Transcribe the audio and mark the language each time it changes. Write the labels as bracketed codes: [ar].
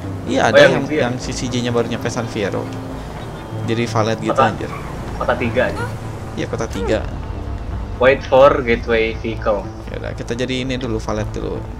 [id] Iya ada yang CCJ-nya baru nyampe San Fierro. Jadi Valet gitu anjir. Kota 3 aja. Iya kota 3. [en] Wait for gateway vehicle. [id] Yaudah kita jadi ini dulu Valet dulu.